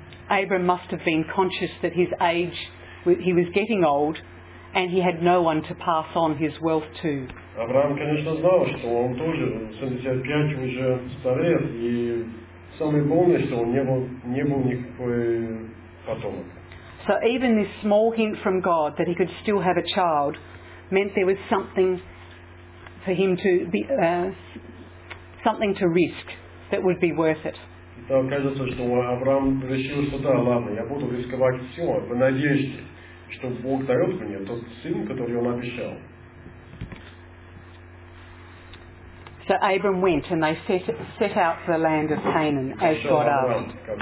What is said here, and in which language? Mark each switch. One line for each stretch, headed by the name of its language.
English: Abram must have been conscious that his age, he was getting old and he had no one to pass on his wealth to.
Russian: Авраам, конечно, знал, что он тоже 75 уже старел, и самое главное, что он не был никакой потомок.
English: So even this small hint from God that he could still have a child meant there was something for him to be something to risk that would be worth it.
Russian: Итак, кажется, что Авраам решил, что да, ладно, я буду рисковать все в надежде, что Бог дает мне тот сын, который он обещал.
English: So Abram went and they set out for the land of Canaan as God asked.